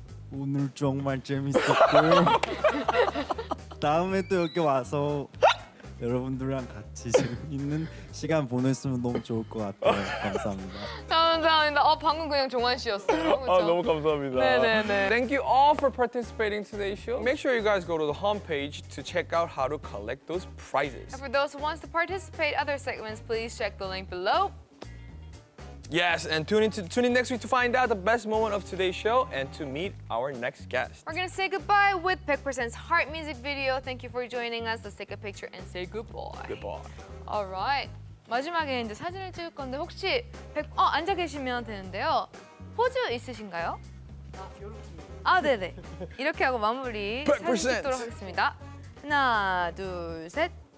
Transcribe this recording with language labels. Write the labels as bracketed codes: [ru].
[ko] 오늘 정말 재밌었고 다음에 또 이렇게 와서 여러분들랑 같이 재밌는 시간 보냈으면 너무 좋을 것 같아요. 감사합니다. 감사합니다. 어, 방금 그냥 종환 씨였어요. 그렇죠? 아, 너무 감사합니다. 네네네. [en] Thank you all for participating today's show. Make sure you guys go to the homepage to check out how to collect those prizes. And for those who wants to participate other segments, please check the link below. Yes, and tune in next week to find out the best moment of today's show and to meet our next guest. We're going to say goodbye with 100%'s Heart music video. Thank you for joining us. Let's take a picture and say goodbye. Goodbye. All right. [ko] 마지막에 이제 사진을 찍을 건데 혹시 앉아 계시면 되는데요. 포즈 있으신가요? 아, 네, 네. 이렇게 하고 마무리 100%. 사진 찍도록 하겠습니다. 하나, 둘, 셋.